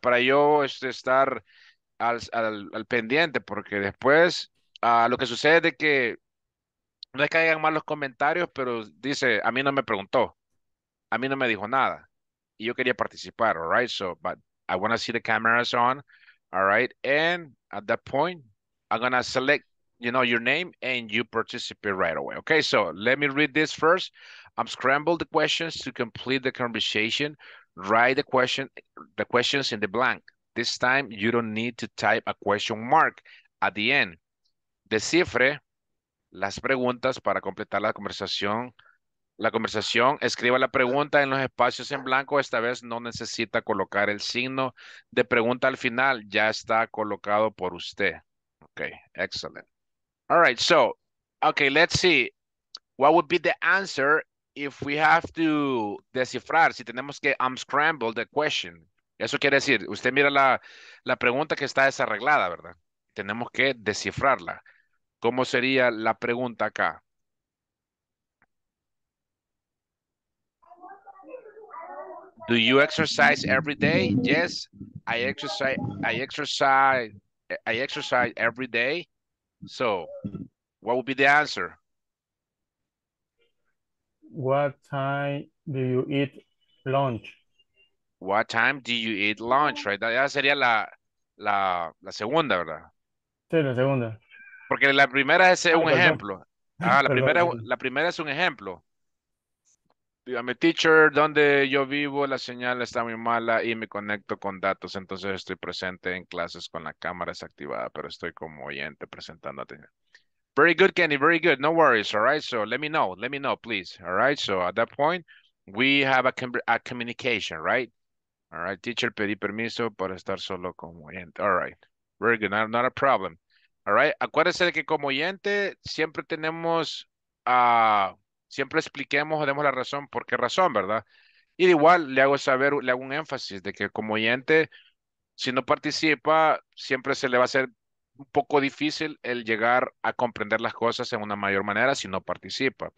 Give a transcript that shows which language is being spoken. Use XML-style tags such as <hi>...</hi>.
<es>Para yo estar al pendiente, porque después lo que sucede es que no es que hagan mal los comentarios, pero dice, a mí no me preguntó. A mí no me dijo nada. Y yo quería participar, all right?</es> <en>So, but I want to see the cameras on, all right? And at that point, I'm going to select, you know, your name and you participate right away. Okay, so let me read this first. I'm scrambling the questions to complete the conversation. Write the questions in the blank. This time, you don't need to type a question mark at the end.</en> <es>Descifre las preguntas para completar la conversación. La conversación, escriba la pregunta en los espacios en blanco. Esta vez no necesita colocar el signo de pregunta al final. Ya está colocado por usted. Okay, excellent.</es> <en>All right, so, okay, let's see. What would be the answer if we have to descifrar?</en> <es>Si tenemos que</es> <en>unscramble the question.</en> <es>Eso quiere decir, usted mira la pregunta que está desarreglada, ¿verdad? Tenemos que descifrarla. ¿Cómo sería la pregunta acá?</es> <en>Do you exercise every day? Yes, I exercise every day. So, what would be the answer? What time do you eat lunch? What time do you eat lunch, right?</en> <es>Ya sería la segunda, ¿verdad? Sí, la segunda. Porque la primera es un ejemplo. La primera es un ejemplo. Dígame, teacher, donde yo vivo, la señal está muy mala y me conecto con datos. Entonces estoy presente en clases con la cámara desactivada, pero estoy como oyente presentando atención.</es> <en>Very good, Kenny. Very good. No worries. All right. So let me know. Let me know, please. All right. So at that point, we have a communication, right? All right.</en> <es>Teacher, pedí permiso para estar solo como oyente.</es> <en>All right. Very good. Not a problem. All right.</en> <es>Acuérdese de que como oyente siempre tenemos siempre expliquemos o demos la razón por qué razón, ¿verdad? Y de igual le hago un énfasis de que como oyente, si no participa, siempre se le va a hacer un poco difícil el llegar a comprender las cosas en una mayor manera si no participa.</es>